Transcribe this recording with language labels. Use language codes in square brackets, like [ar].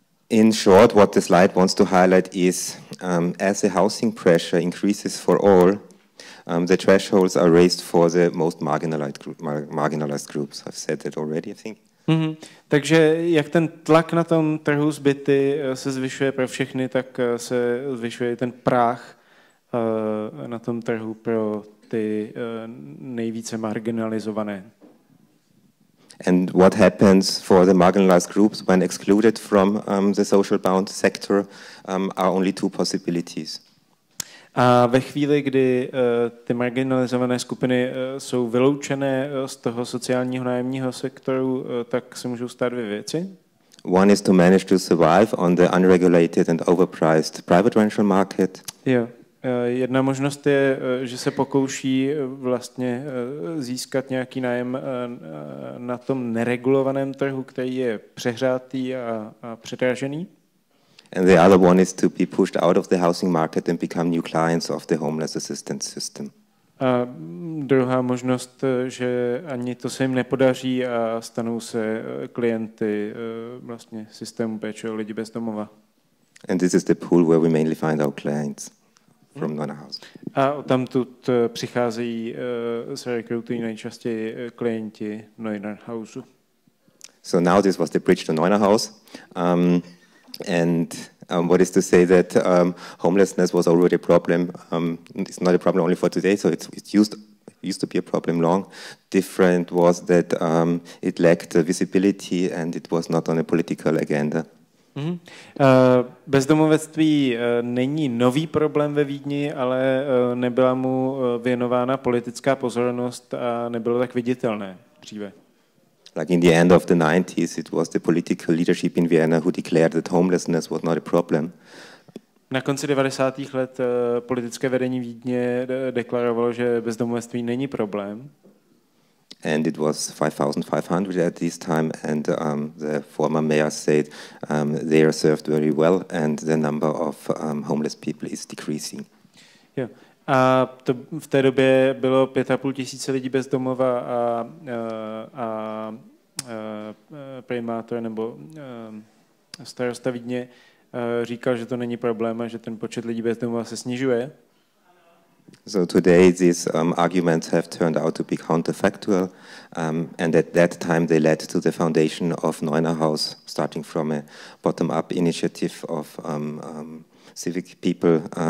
[en] In short, what the slide wants to highlight is, as the housing pressure increases for all, the thresholds are raised for the most marginalized groups. I've said that already, I think. Mm-hmm. [cs] Takže jak ten tlak na tom trhu s byty se zvyšuje pro všechny, tak se zvyšuje ten práh na tom trhu pro ty nejvíce marginalizované. [en] And what happens for the marginalized groups when excluded from the social bound sector are only two possibilities. [cs] A ve chvíli, kdy ty marginalizované skupiny jsou vyloučené z toho sociálního nájemního sektoru, tak se můžou stát dvě věci. [en] One is to manage to survive on the unregulated and overpriced private rental market. [cs] Jo. Jedna možnost je, že se pokouší vlastně získat nějaký nájem na tom neregulovaném trhu, který je přehrátý a předražený. [en] And the other one is to be pushed out of the housing market and become new clients of the homeless assistance system. [cs] A druhá možnost, že ani to se jim nepodaří a stanou se klienty vlastně systému péče o lidi bez domova. [en] And this is the pool where we mainly find our clients. From [cs] a odtamtud přicházejí se rekrutují nejčastěji klienti Neuner House. [en] So now this was the bridge to Neuner House. And what is to say that homelessness was already a problem. It's not a problem only for today, so it used to be a problem long. Different was that it lacked visibility and it was not on a political agenda. Mm-hmm. [cs] Bezdomovectví není nový problém ve Vídni, ale nebyla mu věnována politická pozornost a nebylo tak viditelné dříve. [en] Like in the end of the 90s, it was the political leadership in Vienna who declared that homelessness was not a problem. [cs] Na konci 90. let politické vedení Vídně deklarovalo, že bezdomovectví není problém. [en] And it was 5,500 at this time, and the former mayor said they are served very well, and the number of homeless people is decreasing. Yeah. [cs] A to v té době bylo 5,500 lidí bez domova a primátor nebo starosta Vídně říkal, že to není problém a že ten počet lidí bez domova se snižuje. [en] So today these arguments have turned out to be counterfactual, and at that time they led to the foundation of Neunerhaus, starting from a bottom-up initiative of civic people.